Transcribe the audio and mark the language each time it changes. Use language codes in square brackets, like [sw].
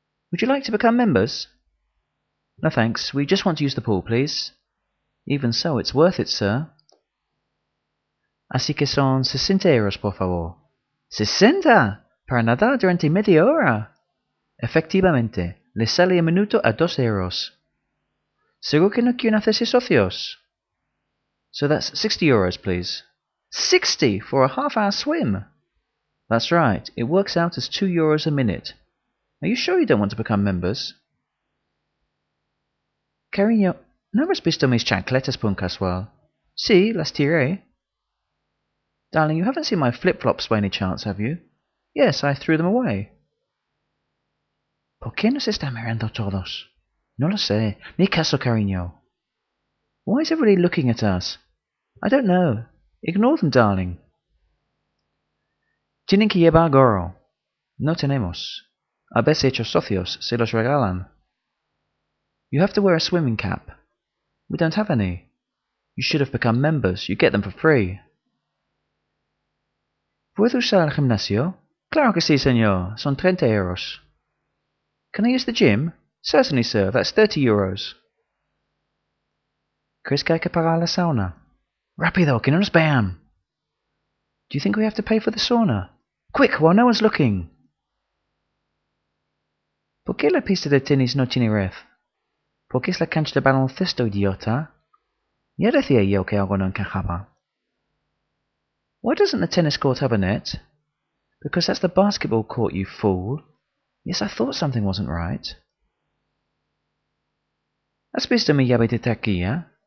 [en] Would you like to become members? No, thanks. We just want to use the pool, please. Even so, it's worth it, sir. [es] Así que son 60 euros, por favor. ¡60! ¿Para nadar durante media hora? Efectivamente. Le sale el minuto a 2 euros. ¿Seguro que no quieren hacerse socios? [en] So that's 60 euros, please. 60 for a half-hour swim? That's right. It works out as 2 euros a minute. Are you sure you don't want to become members? [es] Cariño, ¿no has visto mis chancletas por un casual? Sí, las tiré. [en] Darling, you haven't seen my flip-flops by any chance, have you? Yes, I threw them away. [es] ¿Por qué nos están mirando todos? No lo sé. Ni caso, cariño. [en] Why is everybody looking at us? I don't know. Ignore them, darling. [es] Tienen que llevar gorro. No tenemos. Habéis hecho socios, se los regalan. [en] You have to wear a swimming cap. We don't have any. You should have become members. You get them for free. [es] ¿Puedo usar el gimnasio? Claro que sí, señor. Son 30 euros. [en] Can I use the gym? Certainly, sir. That's 30 euros. [es] ¿Crees que hay que pagar la sauna? Rápido, que no nos vean. [en] Do you think we have to pay for the sauna? Quick, while no one's looking. [es] ¿Por qué la pista de tenis no tiene red? ¿Por qué es la cancha de baloncesto, idiota? Ya decía yo que algo no encajaba. [en] Why doesn't the tennis court have a net? Because that's the basketball court, you fool. Yes, I thought something wasn't right. [es] ¿Has visto mi llave de taquilla?